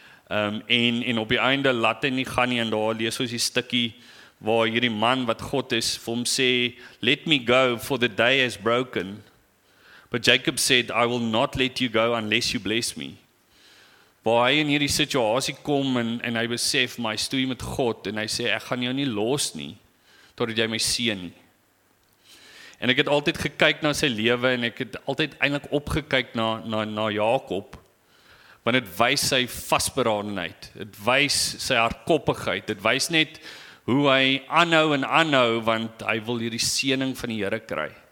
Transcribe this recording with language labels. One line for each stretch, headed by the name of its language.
Afrikaans: En op die einde laat hy nie gaan nie, en daar lees ons die stikkie waar hierdie man wat God is vir hom sê,
English: "Let me go, for the day is broken. But Jacob said, I will not let you go unless you bless me."
Afrikaans: Waar hy in hierdie situasie kom en hy besef, maar hy stoei met God, en hy sê, ek gaan jou nie los nie totdat jy my seën nie. En ek het altyd gekyk na sy lewe, en ek het altyd eintlik opgekyk na Jakob, want het wys sy vasberadenheid, het wys sy hardkoppigheid, het wys net hoe hy aanhou en aanhou, want hy wil hierdie seëning van die Here kry.